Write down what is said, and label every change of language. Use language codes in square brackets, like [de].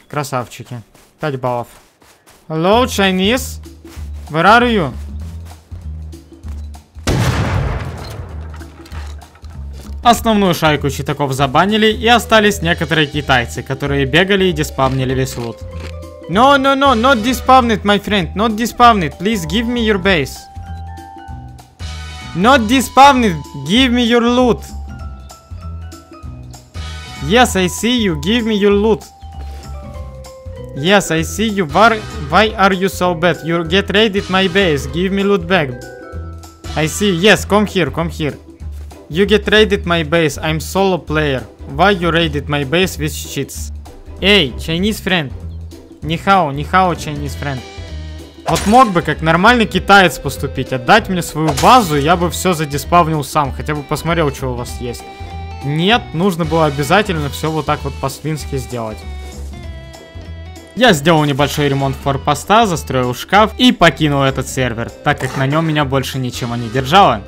[ru] Красавчики. 5 баллов. [en] Hello, Chinese? Where are you? [ru] Основную шайку читаков забанили, и остались некоторые китайцы, которые бегали и диспавнили весь лут. [en] No, not despawn it, my friend, not despawn it, please give me your base. Not despawn it, give me your loot. Yes, I see you, give me your loot. Yes, I see you, why are you so bad? You get raided my base, give me loot back. I see you, yes, come here. You get raided my base, I'm solo player. Why you raided my base with cheats? Эй, Chinese friend. [ru] Ни хао, [en] Chinese friend. [ru] Вот мог бы как нормальный китаец поступить, отдать мне свою базу, я бы все задиспавнил сам, хотя бы посмотрел, что у вас есть. Нет, нужно было обязательно все вот так вот по-свински сделать. Я сделал небольшой ремонт форпоста, застроил шкаф и покинул этот сервер, так как на нем меня больше ничего не держало.